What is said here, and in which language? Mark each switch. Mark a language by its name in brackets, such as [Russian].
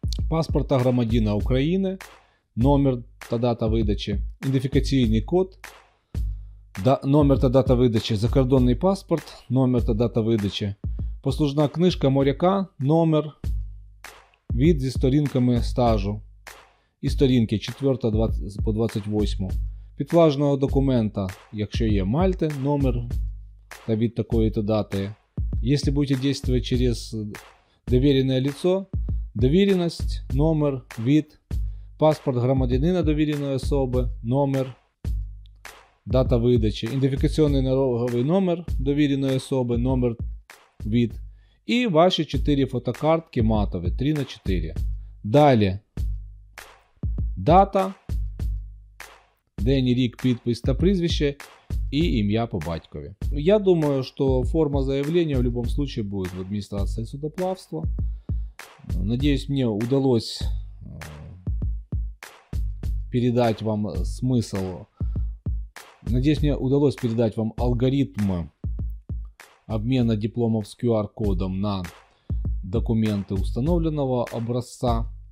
[Ukrainian] Паспорта громадянина України, номер та дата видачі, ідентифікаційний код, номер та дата видачі, закордонний паспорт, номер та дата видачі, послужна книжка моряка, номер, вид зі сторінками стажу і сторінки 4 по 28. Підтвердженого документа, якщо є Мальти, номер та від такої-то дати. Якщо будете діяти через [Russian] доверенное лицо, доверенность, номер, вид, паспорт гражданина доверенной особы, номер, дата выдачи, идентификационный налоговый номер доверенной особы, номер, вид и ваши 4 фотокартки матовые, 3 на 4. [Ukrainian] Далее, дата, день, рік, підпись та прізвище [Russian] и имя [Ukrainian] по батькові. [Russian] Я думаю, что форма заявления в любом случае будет в администрации судоплавства. Надеюсь, мне удалось передать вам смысл. Надеюсь, мне удалось передать вам алгоритм обмена дипломов с QR-кодом на документы установленного образца.